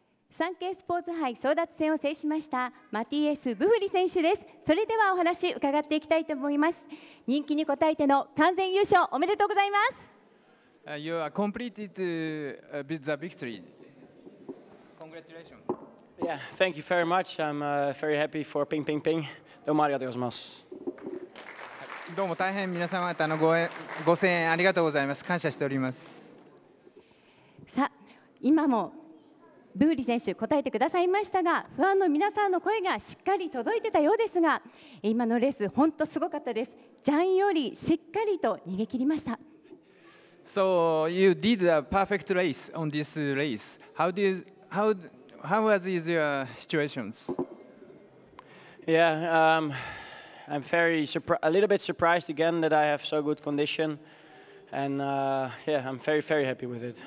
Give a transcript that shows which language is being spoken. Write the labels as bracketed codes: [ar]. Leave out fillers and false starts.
[ja] サンケイスポーツ杯争奪戦を制しましたマティエス・ブフリ選手です。それではお話伺っていきたいと思います。人気に応えての完全優勝おめでとうございます。 [en] You are completed the victory. Congratulations. Yeah, thank you very much. I'm very happy for Ping Ping Ping. [ja] どうもありがとうございます。どうも大変皆様方のご声援ありがとうございます。感謝しております。さあ今もブーリ選手答えてくださいましたが、不安の皆さんの声がしっかり届いてたようですが、今のレース本当すごかったです。ジャンよりしっかりと逃げ切りました。 [en] So you did a perfect race on this race. How was your situations? Yeah, I'm very a little bit surprised again that I have so good condition, and yeah, I'm very very happy with it.